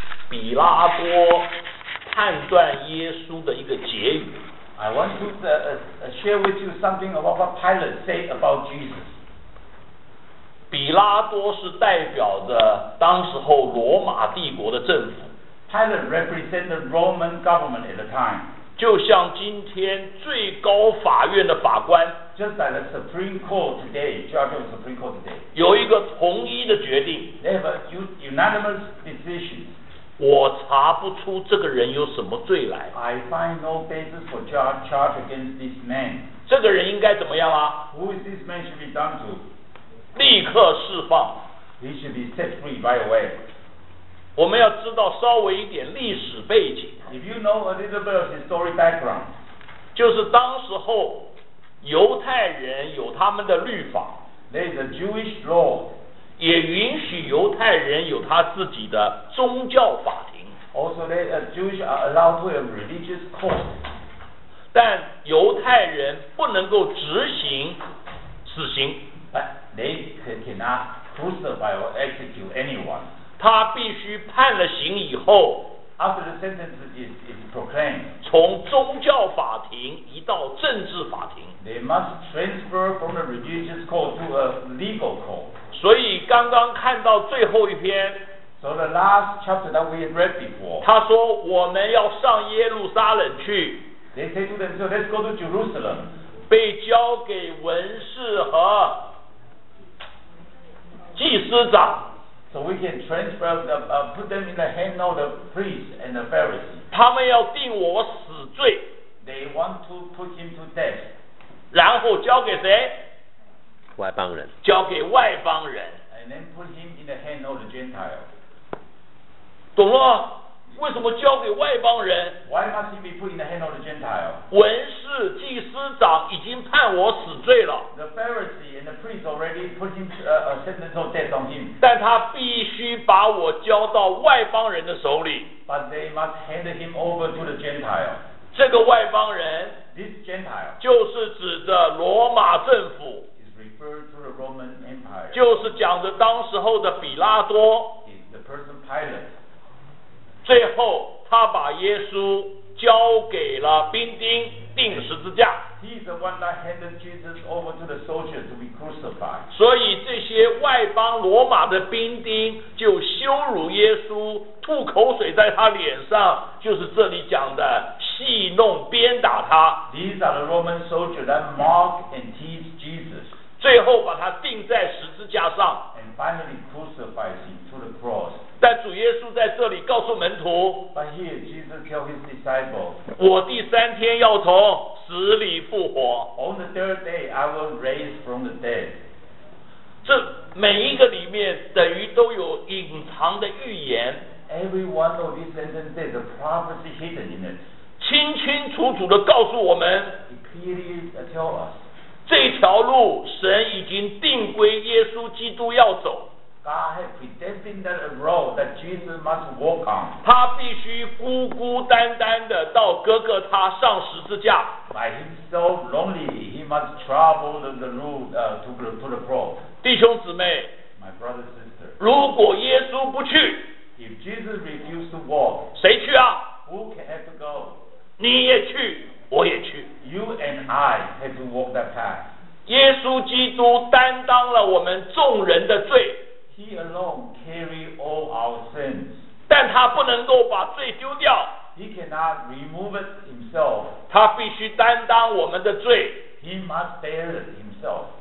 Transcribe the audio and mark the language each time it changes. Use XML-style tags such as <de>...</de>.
<zh>比拉多判断耶稣的一个结语。</zh> <en>I want to share with you something about what Pilate said about Jesus.</en> <zh>比拉多是代表着当时候罗马帝国的政府。</zh> <en>Pilate represented the Roman government at the time.</en> <zh>就像今天最高法院的法官。</zh> <en>Just like the Supreme Court today, judge of the Supreme Court today.</en> <zh>有一个统一的决定。</zh> <en>They have a unanimous decision.</en> <zh>我查不出这个人有什么罪来。</zh> <en>I find no basis for charge against this man.</en> <zh>这个人应该怎么样啊？</zh> <en>Who is this man should be done to?</en> <zh>立刻释放。</zh> <en>He should be set free right away.</en> <zh>我们要知道稍微一点历史背景。</zh> <en>If you know a little bit of historic background,</en> <zh>就是当时候犹太人有他们的律法。</zh> <en>There's a Jewish law,</en> <zh>也允许犹太人有他自己的宗教法庭。</zh> <en>Also, a Jewish are allowed to have religious court.</en> <zh>但犹太人不能够执行死刑。</zh> <en>But they cannot crucify or execute anyone.</en> <zh>他必须判了刑以后</zh> <en>After the sentence is proclaimed,</en> <zh>从宗教法庭移到政治法庭</zh> <en>They must transfer from the religious court to a legal court.</en> <zh>所以刚刚看到最后一篇</zh> <en>So the last chapter that we had read before,</en> <zh>他说我们要上耶路撒冷去</zh> <en>They say to them, so let's go to Jerusalem.</en> <zh>被交给文士和祭司长</zh> <en>So we can transfer the, put them in the hand of the priests and the Pharisees.</en> <zh>他们要定我死罪。</zh> <en>They want to put him to death.</en> <zh>然后交给谁？外邦人。交给外邦人。</zh> <en>And then put him in the hand of the Gentile.</en> <zh>懂了？为什么交给外邦人？</zh> <en>Why must he be put in the hand of the Gentile?</en> <zh>文士、祭司长已经判我死罪了。</zh> <en>The Pharisee and the priest already put him a sentence of death on him.</en> <zh>但他必须把我交到外邦人的手里。</zh> <en>But they must hand him over to the Gentile.</en> <zh>这个外邦人</zh> <en>，this Gentile，</en> <zh>就是指着罗马政府</zh> <en>，is referred to the Roman Empire，</en> <zh>就是讲着当时候的比拉多</zh> <en>，is the person Pilate。</en> <zh>最后他把耶稣交给了兵丁钉十字架</zh> <en>He's the one that handed Jesus over to the soldiers to be crucified</en> <zh>所以这些外邦罗马的兵丁就羞辱耶稣吐口水在他脸上就是这里讲的戏弄鞭打他</zh> <en>These are the Roman soldiers that mock and tease Jesus</en> <zh>最后把他钉在十字架上</zh> <en>And finally crucified him to the cross</en> <zh>但主耶稣在这里告诉门徒</zh> <en>But here Jesus tells his disciples,</en> <zh>我第三天要从死里复活</zh> <en>On the third day I will raise from the dead</en> <zh>这每一个里面等于都有隐藏的预言</zh> <en>Every one of these sentences has a prophecy hidden in it</en> <zh>清清楚楚地告诉我们</zh> <en>He clearly tells us</en> <zh>这条路神已经定规耶稣基督要走</zh> <en>God has predestined that road that Jesus must walk on.</en> <zh>他必须孤孤单单的到哥哥他上十字架。</zh> <en>By himself lonely, he must travel the route to the cross.</en> <zh>弟兄姊妹</zh> <en>，My brother sister，</en> <zh>如果耶稣不去</zh> <en>，If Jesus refused to walk，</en> <zh>谁去啊</zh> <en>？Who can have to go？</en> <zh>你也去，我也去。</zh> <en>You and I have to walk that path.</en> <zh>耶稣基督担当了我们众人的罪。</zh> <en>He alone carry all our sins.</en> <zh>但他不能够把罪丢掉。</zh> <en>He cannot remove it himself.</en> <zh>他必须担当我们的罪。</zh> <en>He must bear it himself.</en>